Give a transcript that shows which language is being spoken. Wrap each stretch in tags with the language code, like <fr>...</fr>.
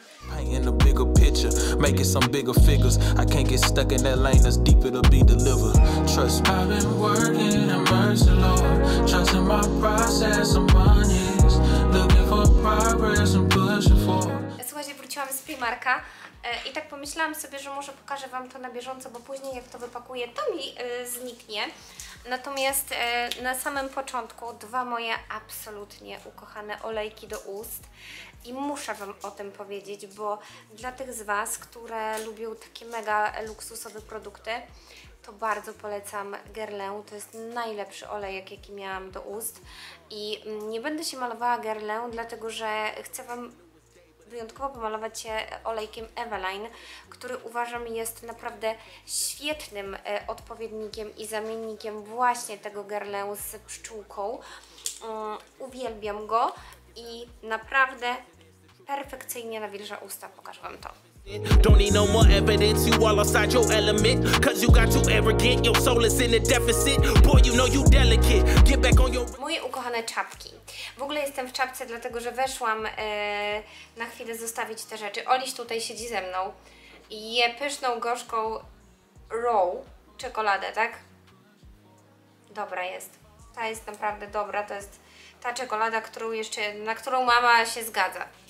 <en>Painting a bigger picture, making some bigger figures. I can't get stuck in that lane that's deeper to be delivered. Trust me. I've been working in mercy, Lord. Trusting my process and money. Looking for progress and pushing for.</en> <pl>Słuchajcie, wróciłam z Primarka. I tak pomyślałam sobie, że może pokażę Wam to na bieżąco, bo później jak to wypakuję, to mi zniknie. Natomiast na samym początku dwa moje absolutnie ukochane olejki do ust. I muszę Wam o tym powiedzieć, bo dla tych z Was, które lubią takie mega luksusowe produkty, to bardzo polecam Guerlain. To jest najlepszy olejek, jaki miałam do ust. I nie będę się malowała Guerlain, dlatego że chcę Wam wyjątkowo pomalować się olejkiem Eveline, który uważam jest naprawdę świetnym odpowiednikiem i zamiennikiem właśnie tego Guerlain z pszczółką. Uwielbiam go i naprawdę perfekcyjnie nawilża usta. Pokażę Wam to.</pl> <en>Don't need no more evidence, you all outside your element. Cause you got too arrogant, your soul is in a deficit. Boy, you know you delicate, get back on your...</en> <pl>Moje ukochane czapki. W ogóle jestem w czapce, dlatego że weszłam na chwilę zostawić te rzeczy. Oliś tutaj siedzi ze mną. Je pyszną, gorzką raw czekoladę, tak? Dobra jest. Ta jest naprawdę dobra, to jest ta czekolada, którą jeszcze, na którą mama się zgadza.</pl>